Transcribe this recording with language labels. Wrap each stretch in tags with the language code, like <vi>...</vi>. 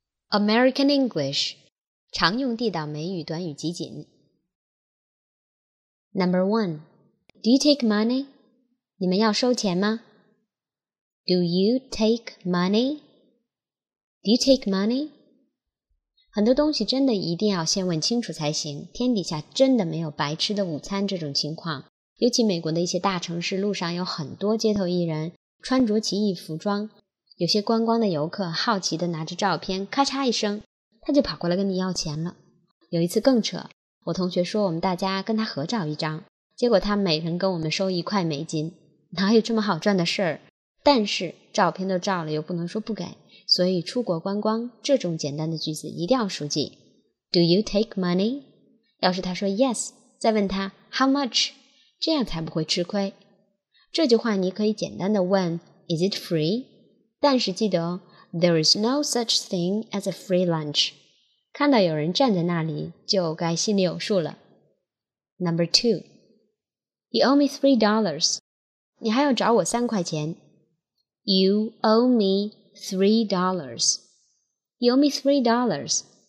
<en>American English</en> <zh>常用地道美语短语集锦</zh> <en>Number 1 Do you take money?</en> <zh>你们要收钱吗</zh> <en>Do you take money? Do you take money?</en> <zh>很多东西真的一定要先问清楚才行天底下真的没有白吃的午餐这种情况尤其美国的一些大城市路上有很多街头艺人穿着奇异服装有些观光的游客好奇地拿着照片咔嚓一声他就跑过来跟你要钱了有一次更扯我同学说我们大家跟他合照一张结果他每人跟我们收一块美金哪有这么好赚的事儿但是照片都照了又不能说不给所以出国观光这种简单的句子一定要熟记</zh> <en>Do you take money?</en> <zh>要是他说 yes 再问他</zh> <en>how much?</en> <zh>这样才不会吃亏这句话你可以简单地问</zh> <en>is it free?</en> <zh>但是记得</zh> <en>there is no such thing as a free lunch.</en> <zh>看到有人站在那里就该心里有数了。</zh> <en>Number 2. You owe me $3.</en> <zh>你还要找我三块钱。</zh> <en>You owe me $3. You owe me $3.</en>